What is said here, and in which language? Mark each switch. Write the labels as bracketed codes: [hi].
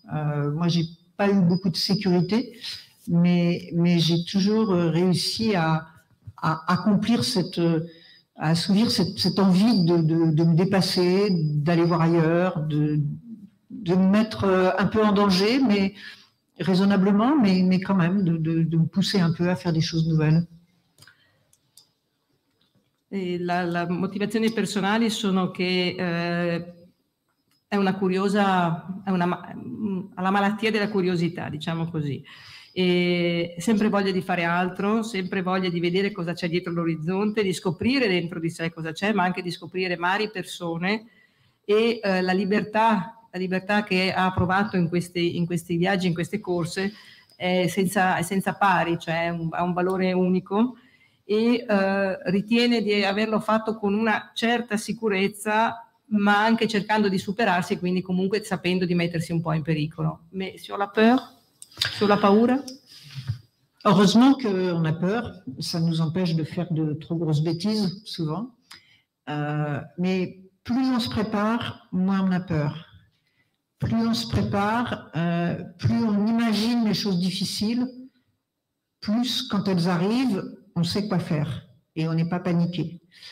[fr] Moi, j'ai pas eu beaucoup de sécurité. Mais j'ai toujours réussi à accomplir à assouvir cette envie de me dépasser, d'aller voir ailleurs, de me mettre un peu en danger, mais raisonnablement, mais quand même, de me pousser un peu à faire des choses nouvelles. [it] La motivazione personale sono che è una curiosa, ha la malattia della curiosità, diciamo così. E sempre voglia di fare altro, sempre voglia di vedere cosa c'è dietro l'orizzonte, di scoprire dentro di sé cosa c'è, ma anche di scoprire mari, persone e la libertà che ha provato in questi viaggi, in queste corse, è senza pari, cioè ha un valore unico. E ritiene di averlo fatto con una certa sicurezza, ma anche cercando di superarsi, quindi comunque sapendo di mettersi un po' in pericolo. [fr] Mais sur la peur, sur la paura? Heureusement que on a peur, ça nous empêche de faire de trop grosses bêtises souvent. Mais plus on se prépare, moins on a peur. Plus on se prépare, plus on imagine les choses difficiles, plus quand elles arrivent, on sait quoi faire et on n'est pas paniqué.